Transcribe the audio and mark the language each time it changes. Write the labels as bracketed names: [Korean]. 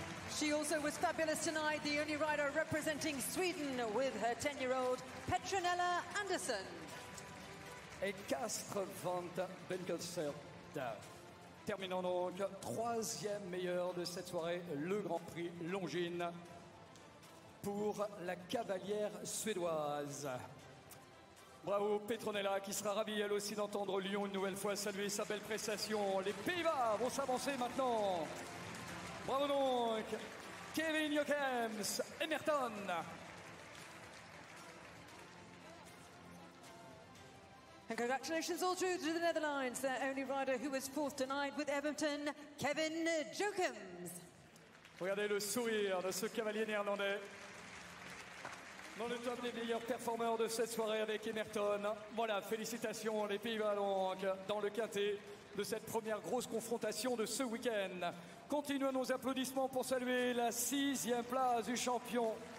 [English] She also was fabulous tonight, the only rider representing Sweden with her 10-year-old Petronella Andersson. [French] Et Castre Vant Benkelsert. Terminant donc troisième meilleur de cette soirée, le Grand Prix Longines pour la cavalière suédoise. Bravo Petronella qui sera ravie elle aussi d'entendre Lyon une nouvelle fois saluer sa belle prestation. Les Pays-Bas vont s'avancer maintenant. Bravo donc Kevin Jochems et Merton. [English] And congratulations also to the Netherlands, their only rider who was fourth tonight with Everton, Kevin Jochems. [French] Regardez le sourire de ce cavalier néerlandais. Dans le top des meilleurs performeurs de cette soirée avec Emerton. Voilà, félicitations les Pays-Bas donc dans le quintet de cette première grosse confrontation de ce week-end. Continuons nos applaudissements pour saluer la sixième place du champion.